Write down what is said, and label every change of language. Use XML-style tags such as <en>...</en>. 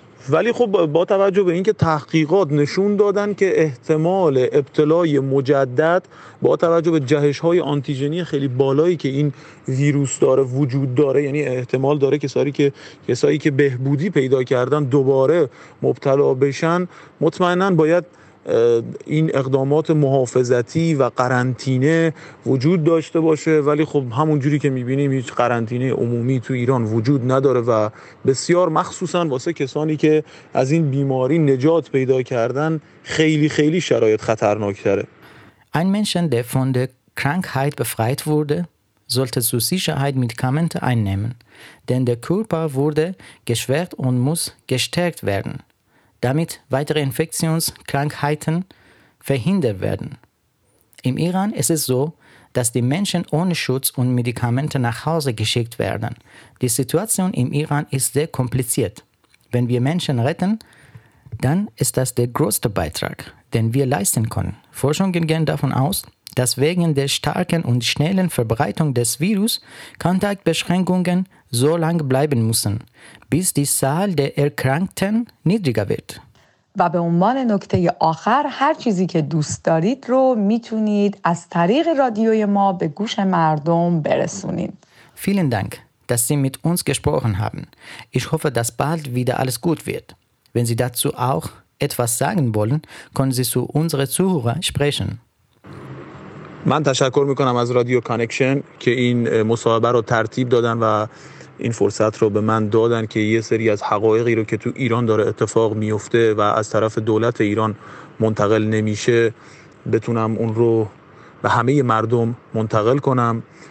<fa>ولی خب با توجه به اینکه تحقیقات نشون دادن که احتمال ابتلای مجدد با توجه به جهش‌های آنتیژنی خیلی بالایی که این ویروس داره وجود داره، یعنی احتمال داره کسایی که بهبودی پیدا کردن دوباره مبتلا بشن، مطمئناً باید این اقدامات محافظتی و قرنطینه وجود داشته باشه. ولی خب همون جوری که میبینیم هیچ قرنطینه عمومی تو ایران وجود نداره و بسیار مخصوصا واسه کسانی که از این بیماری نجات پیدا کردن خیلی خیلی شرایط خطرناکتره.</fa> <de>Ein Mensch, der von der Krankheit befreit wurde, sollte zu Sicherheit Medikamente einnehmen, denn der Körper wurde geschwächt und muss gestärkt werden, damit weitere Infektionskrankheiten verhindert werden. Im Iran ist es so, dass die Menschen ohne Schutz und Medikamente nach Hause geschickt werden. Die Situation im Iran ist sehr kompliziert. Wenn wir Menschen retten, dann ist das der größte Beitrag, den wir leisten können. Forschungen gehen davon aus, dass wegen der starken und schnellen Verbreitung des Virus Kontaktbeschränkungen so lange bleiben müssen, bis die Zahl der Erkrankten niedriger wird.</de> <fa>و به عنوان نکته آخر، هر چیزی که دوست دارید رو میتونید از طریق رادیوی ما به گوش مردم برسونید.</fa> <de>Vielen Dank, dass Sie mit uns gesprochen haben. Ich hoffe, dass bald wieder alles gut wird. Wenn Sie dazu auch etwas sagen wollen, können Sie zu unseren Zuhörern sprechen.</de> <fa>من تشکر میکنم از رادیو کانکشن که این مصاحبه رو ترتیب دادن و این فرصت رو به من دادن که یه سری از حقایقی رو که تو ایران داره اتفاق میفته و از طرف دولت ایران منتقل نمیشه، بتونم اون رو به همه مردم منتقل کنم.</fa>